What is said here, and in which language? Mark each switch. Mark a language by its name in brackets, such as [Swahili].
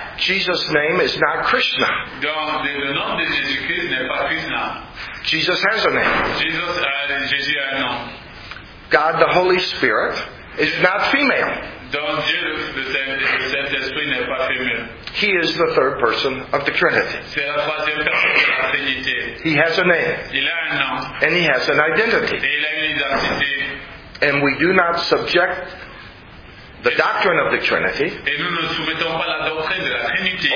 [English] Jesus' name is not Krishna. [French] Donc, le nom de Jésus-Christ n'est pas Krishna. [English] Jesus has a name. [French] Jésus a un nom. [English] God the Holy Spirit is not female. [French] Donc, Dieu le Saint-Esprit n'est pas féminin. [English] He is the third person of the Trinity. [French] C'est la troisième personne de la Trinité. [English] He has a name. [French] Il a un nom. [English] And he has an identity. [French] Et il a une identité. [English] And we do not subject the doctrine of the Trinity, [French] et nous ne soumettons pas la doctrine de la Trinité,